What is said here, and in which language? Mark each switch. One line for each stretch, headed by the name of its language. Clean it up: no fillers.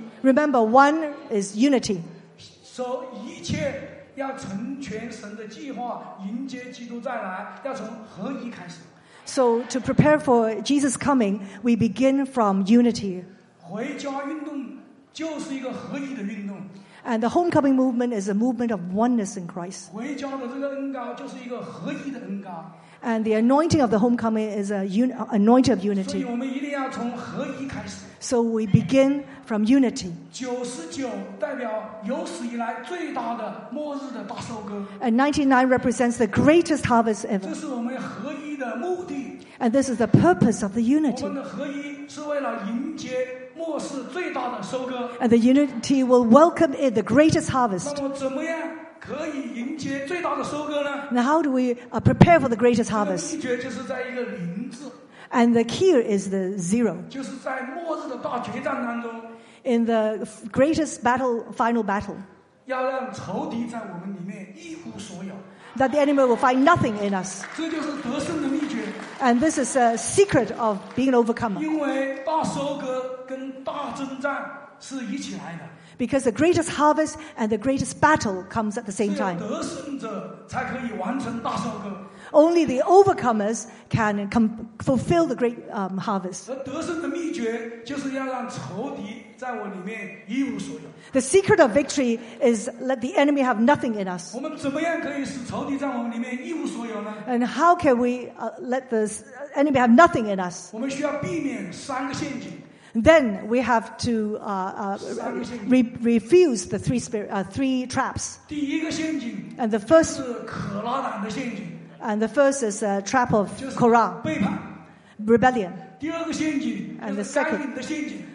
English: Remember, one is unity.
Chinese: So, 一切要成全神的计划，迎接基督再来，要从合一开始。
English: So, to prepare for Jesus' coming, we begin from unity.
Chinese: 回家运动就是一个合一的运动。
English: And the homecoming movement is a movement of oneness in Christ.
Chinese: 回家的这个恩膏就是一个合一的恩膏。
English: And the anointing of the homecoming is an anointing of unity.
Chinese: 所以我们一定要从合一开始。
English: So we begin from unity.
Chinese: 99代表有史以来最大的末日的大收割。
English: And 99 represents the greatest harvest ever.
Chinese: 这是我们合一的目的。
English: And this is the purpose of the unity.
Chinese: 我们的合一是为了迎接末世最大的收割。
English: And the unity will welcome in the greatest harvest.
Chinese: 那么怎么样可以迎接最大的收割呢？
English: Now how do we prepare for the greatest harvest?
Chinese: 这个秘诀就是在一个零字。
English: And the key is the zero.
Chinese: 就是在末日的大决战当中。
English: In the greatest battle, final battle.
Chinese: 要让仇敌在我们里面一无所有。
English: That the enemy will find nothing in us.
Chinese: 这就是得胜的秘诀。
English: And this is a secret of being an overcomer.
Chinese: 因为大收割跟大征战是一起来的。
English: Because the greatest harvest and the greatest battle comes at the same time.
Chinese: 得胜者才可以完成大收割。
English: Only the overcomers can fulfill the great harvest.
Chinese: 而得胜的秘诀就是要让仇敌在我里面一无所有。
English: The secret of victory is let the enemy have nothing in us.
Chinese: 我们怎么样可以使仇敌在我们里面一无所有呢？
English: And how can we let the enemy have nothing in us?
Chinese: 我们需要避免三个陷阱。
English: Then we have to refuse the three traps.
Chinese: 第一个陷阱。
English: And the first
Chinese: 是可拉胆的陷阱。
English: And the first is a trap of Korah, rebellion.
Chinese: 第二个陷阱。
English: And the second,
Chinese: 该隐的陷阱。